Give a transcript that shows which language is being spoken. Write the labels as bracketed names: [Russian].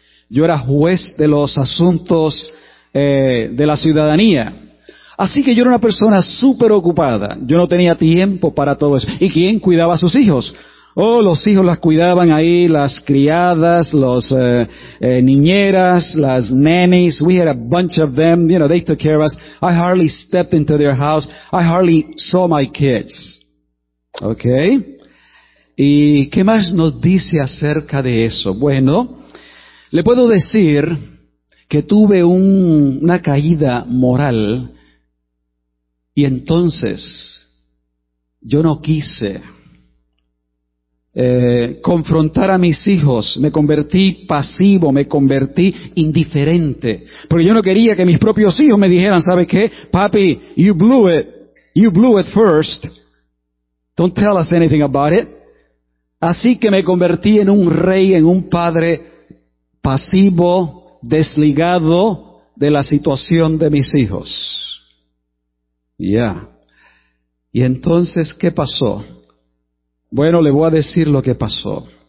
[Spanish] Yo era juez de los asuntos de la ciudadanía. Así que yo era una persona súper ocupada. Yo no tenía tiempo para todo eso. ¿Y quién cuidaba a sus hijos? Oh, los hijos las cuidaban ahí, las criadas, los niñeras, las nannies. [English] We had a bunch of them, you know, they took care of us. I hardly stepped into their house. I hardly saw my kids. Okay. [Spanish] ¿Y qué más nos dice acerca de eso? Bueno, le puedo decir que tuve una caída moral y entonces yo no quise confrontar a mis hijos, me convertí pasivo, me convertí indiferente, porque yo no quería que mis propios hijos me dijeran, ¿sabes qué? [English] Papi, you blew it first, don't tell us anything about it. [Spanish] Así que me convertí en un rey, en un padre pasivo, desligado de la situación de mis hijos. Y entonces, ¿qué pasó? Bueno, le voy a decir lo que pasó.